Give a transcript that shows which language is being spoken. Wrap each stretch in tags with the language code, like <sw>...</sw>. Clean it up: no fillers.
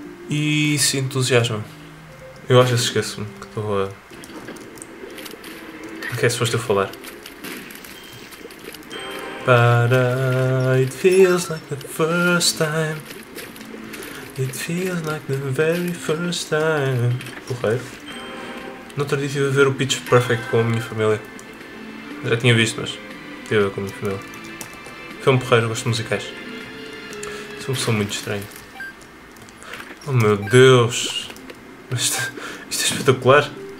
<pt>E se entusiasma. Eu às vezes esqueço-me que estou a. Ok, que é suposto eu falar.</pt> <en>But it feels like the first time. It feels like the very first time.</en> <pt>Porreiro. No outro dia estive a ver o Pitch Perfect com a minha família. Já tinha visto, mas estive a ver com a minha família. Filme porreiro, gosto de musicais. Sou uma pessoa muito estranha. Oh meu Deus! Isto é espetacular!</pt>